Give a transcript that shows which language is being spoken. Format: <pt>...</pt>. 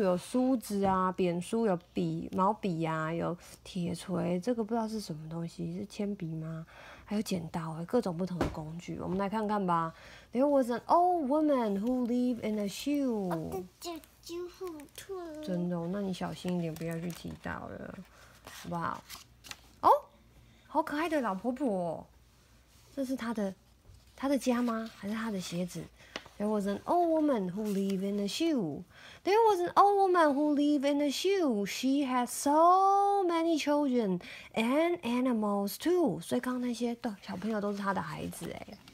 <zh>有梳子啊，扁梳，有笔，毛笔啊，有铁锤，这个不知道是什么东西，是铅笔吗？还有剪刀，各种不同的工具，我们来看看吧。</zh> <en>There was an old woman who lived in a shoe。</en> <zh>我的脚好痛。真的、哦？那你小心一点，不要去踢到了，好不好？哦，好可爱的老婆婆、哦，这是她的家吗？还是她的鞋子？</zh> <en>There was an old woman who lived in a shoe. There was an old woman who lived in a shoe. She had so many children and animals too.</en> <zh>所以刚刚那些的小朋友都是她的孩子哎。</zh>